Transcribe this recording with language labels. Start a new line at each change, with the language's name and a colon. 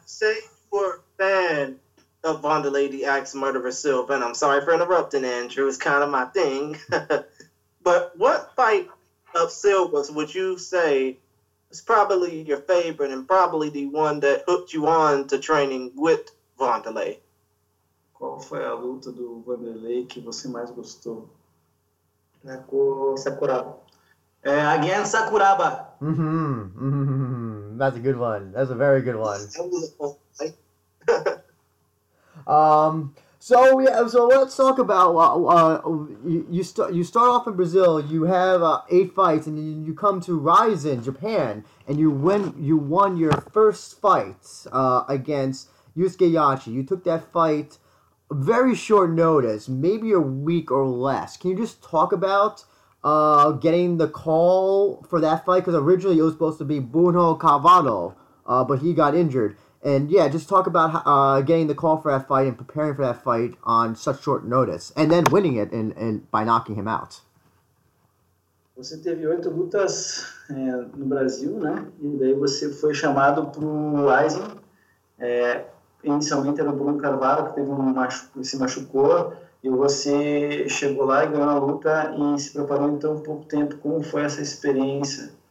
English: Say for fan of Wanderlei the Axe Murderer Silva, and I'm sorry for interrupting, Andrew, it's kind of my thing. But what fight of Silva's would you say is probably your favorite and probably the one that hooked you on to training with Wanderlei?
Portuguese: Qual foi a luta do Wanderlei que você mais gostou? Na Sakuraba.
English: Again, Sakuraba. Mm-hmm. Mm-hmm. That's a good one. That's a very good one. So let's talk about, you start off in Brazil, you have 8 fights, and then you come to Rizin, Japan, and you won your first fight, against Yusuke Yachi. You took that fight, very short notice, maybe a week or less. Can you just talk about getting the call for that fight? Because originally it was supposed to be Bruno Carvalho, but he got injured. And yeah, just talk about getting the call for that fight and preparing for that fight on such short notice, and then winning it and by knocking him out.
Portuguese: Você teve 8 lutas no Brasil, né? E daí você foi chamado para o Rising. Inicialmente era o Bruno Carvalho, que teve se machucou, e você chegou lá e ganhou a luta e se preparou em tão pouco tempo. Como foi essa experiência?